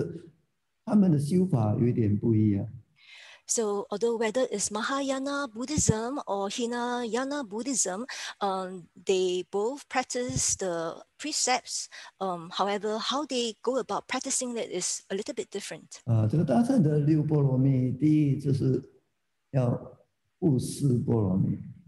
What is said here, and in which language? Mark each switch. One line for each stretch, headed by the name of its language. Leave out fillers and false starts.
Chinese: 这个六波罗蜜虽然有大乘小乘，可是他们的修法有点不一样。
English: So although whether it's Mahayana Buddhism or Hinayana Buddhism, they both practice the precepts. However, how they go about practicing it is a little bit different.
Chinese: 这个大乘的六波罗蜜，第一就是要布施波罗蜜。